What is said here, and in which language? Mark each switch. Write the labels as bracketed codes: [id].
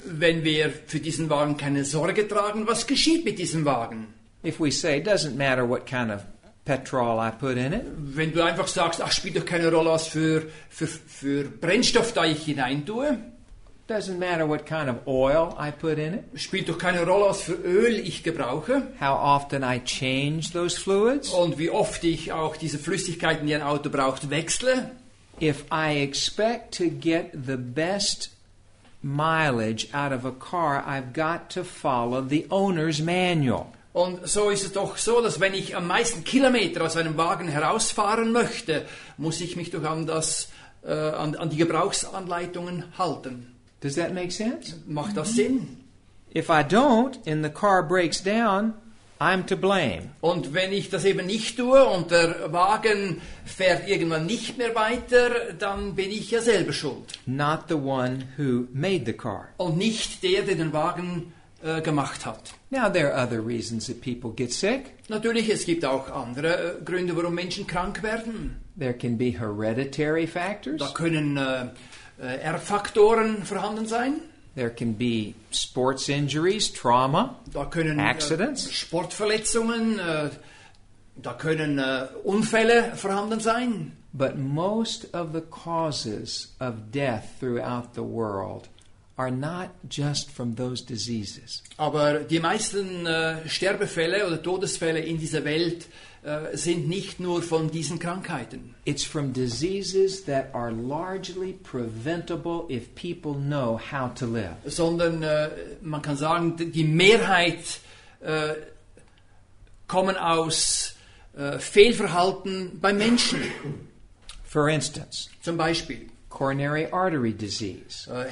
[de] Wenn wir für diesen Wagen keine Sorge tragen, was geschieht mit diesem Wagen? [en] If we say, it doesn't matter what kind of petrol I put in it. [de] Wenn du einfach sagst, ach, spielt doch keine Rolle, was für Brennstoff da ich hinein tue. [en] Doesn't matter what kind of oil I put in it. [de] Spielt doch keine Rolle, was für Öl ich gebrauche. [en] How often I change those fluids. [de] Und wie oft ich auch diese Flüssigkeiten, die ein Auto braucht, wechsle. [en] if I expect to get the best mileage out of a car, I've got to follow the owner's manual. [de] Und so ist es doch so, dass wenn ich am meisten Kilometer aus einem Wagen herausfahren möchte, muss ich mich doch an das an die Gebrauchsanleitungen halten. [en] Does that make sense? [de] Macht das Sinn? [en] If I don't and the car breaks down, I'm to blame. [de] Und wenn ich das eben nicht tue und der Wagen fährt irgendwann nicht mehr weiter, dann bin ich ja selber schuld. [en] Not the one who made the car. [de] Und nicht der, der den Wagen gemacht hat. [en] Now there are other reasons that people get sick. [de] Natürlich, es gibt auch andere Gründe, warum Menschen krank werden. [en] There can be hereditary factors. [de] Da können Erbfaktoren vorhanden sein. [en] There can be sports injuries, trauma, [de] da können, [en] accidents. [de] Sportverletzungen, da können Unfälle vorhanden sein. [en] But most of the causes of death throughout the world are not just from those diseases. [de] Aber die meisten Sterbefälle oder Todesfälle in dieser Welt sind nicht nur von diesen Krankheiten. [en] It's from diseases that are largely preventable if people know how to live. [de] Sondern man kann sagen, die Mehrheit kommen aus Fehlverhalten bei Menschen. [en] For instance, [de] zum Beispiel [en] coronary artery disease.